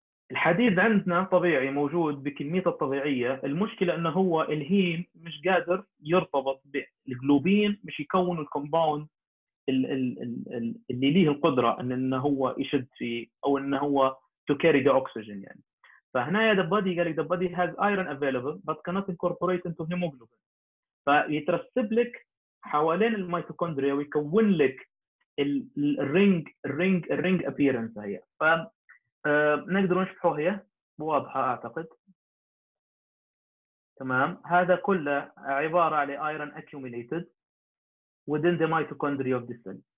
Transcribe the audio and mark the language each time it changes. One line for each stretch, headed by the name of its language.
Arabic: الحديد عندنا طبيعي موجود بكميته الطبيعيه، المشكله انه هو الهيم مش قادر يرتبط بالجلوبين، مش يكون الكومباوند اللي ليه القدره انه هو يشد فيه او انه هو
English: to carry the oxygen
Arabic: يعني. فهنا يا دبادي قال لك دبادي
English: has iron available but cannot incorporate into hemoglobin.
Arabic: فيترسب لك حوالين الميتوكوندريا ويكون لك الرينج الرينج الرينج appearance هي. فنقدر نشبحه هي واضحة أعتقد. تمام. هذا كله عبارة على
English: iron accumulated within the mitochondria of the cell.